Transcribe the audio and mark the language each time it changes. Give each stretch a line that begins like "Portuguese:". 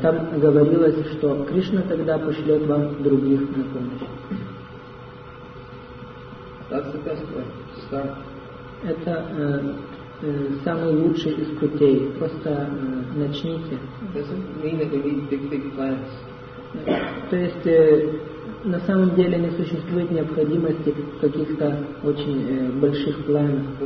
Russian: Там говорилось, что Кришна тогда пошлет вам других на помощь.
English: That's the best way to start.
Russian: Это самый лучший из путей. Просто начните.
English: It doesn't mean that we need big plans.
Russian: То есть на самом деле не существует необходимости в каких-то очень больших планах.